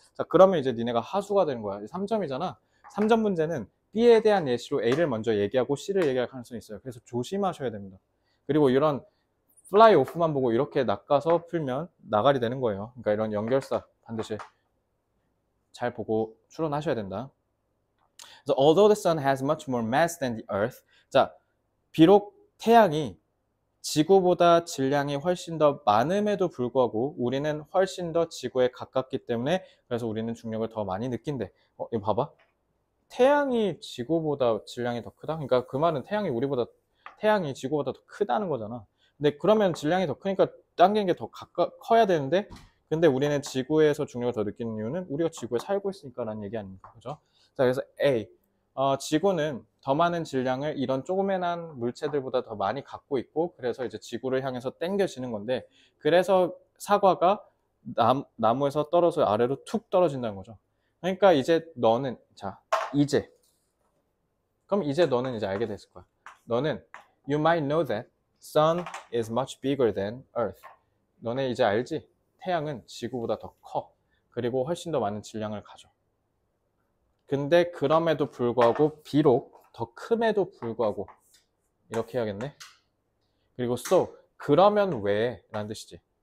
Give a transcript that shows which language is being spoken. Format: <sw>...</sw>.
<ko>자, 그러면 이제 니네가 하수가 되는 거야. 3점이잖아. 3점 문제는 B에 대한 예시로 A를 먼저 얘기하고 C를 얘기할 가능성이 있어요. 그래서 조심하셔야 됩니다. 그리고 이런 fly off만 보고 이렇게 낚아서 풀면 나가리 되는 거예요. 그러니까 이런 연결사 반드시 잘 보고 추론하셔야 된다.</ko> <en>So, although the sun has much more mass than the earth.</en> <ko>자, 비록 태양이 지구보다 질량이 훨씬 더 많음에도 불구하고 우리는 훨씬 더 지구에 가깝기 때문에 그래서 우리는 중력을 더 많이 느낀대. 이거 봐봐. 태양이 지구보다 질량이 더 크다? 그러니까 그 말은 태양이 지구보다 더 크다는 거잖아. 근데 그러면 질량이 더 크니까 당기는 게더 커야 되는데? 근데 우리는 지구에서 중력을 더 느끼는 이유는 우리가 지구에 살고 있으니까라는 얘기 아닙니까? 그죠? 자, 그래서 A. 지구는 더 많은 질량을 이런 조그만한 물체들보다 더 많이 갖고 있고, 그래서 이제 지구를 향해서 땡겨지는 건데, 그래서 사과가 나무에서 떨어져 아래로 툭 떨어진다는 거죠. 그러니까 이제 너는, 자, 이제. 그럼 이제 너는 이제 알게 됐을 거야. 너는,</ko> <en>you might know that sun is much bigger than earth.</en> <ko>너네 이제 알지? 태양은 지구보다 더 커. 그리고 훨씬 더 많은 질량을 가져. 근데 그럼에도 불구하고 비록 더 큼에도 불구하고 이렇게 해야겠네. 그리고 so 그러면 왜? 라는 뜻이지.</ko>